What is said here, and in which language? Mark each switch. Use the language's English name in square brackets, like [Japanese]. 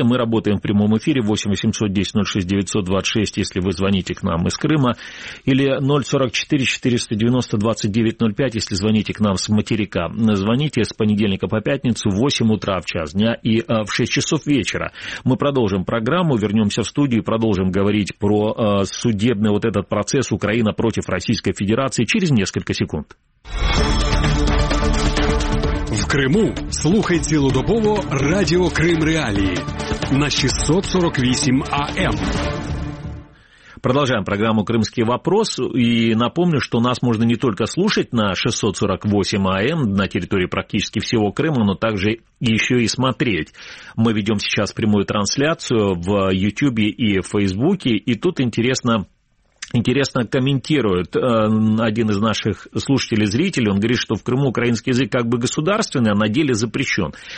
[Russian] Мы работаем в прямом эфире 8-810-06-926, если вы звоните к нам из Крыма, или 044-490-2905, если звоните к нам с материка. Звоните с понедельника по пятницу в 8 утра в час дня и в 6 часов вечера. Мы продолжим программу, вернемся в студию и продолжим говорить про судебный вот этот процесс «Украина против Российской Федерации» через несколько секунд. [Ukrainian] В Криму слухайте Лудобово Радіо Крим Реалії на 648 АМ. [Russian] Продолжаем программу «Крымский вопрос». И напомню, что нас можно не только слушать на 648 АМ на территории практически всего Крыма, но также еще и смотреть. Мы ведем сейчас прямую трансляцию в Ютьюбе и в Фейсбуке. И тут интересно... Интересно комментирует один из наших слушателей-зрителей, он говорит, что в Крыму украинский язык как бы государственный, а на деле запрещен.